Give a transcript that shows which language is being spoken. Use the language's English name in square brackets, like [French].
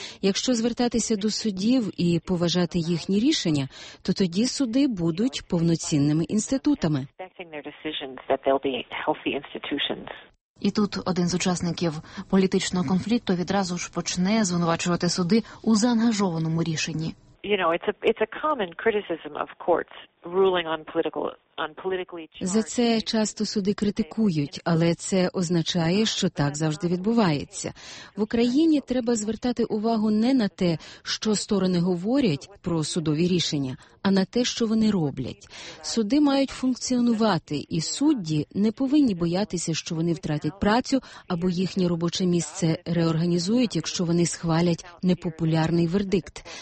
[Ukrainian] Якщо звертатися до судів і поважати їхні рішення, то тоді суди будуть повноцінними інститутами. І тут один з учасників політичного конфлікту відразу ж почне звинувачувати суди у заангажованому рішенні. [English] You know, it's a common criticism of courts ruling on political [Ukrainian] За це часто суди критикують, але це означає, що так завжди відбувається. В Україні треба звертати увагу не на те, що сторони говорять про судові рішення, а на те, що вони роблять. Суди мають функціонувати, і судді не повинні боятися, що вони втратять працю або їхнє робоче місце реорганізують, якщо вони схвалять непопулярний вердикт.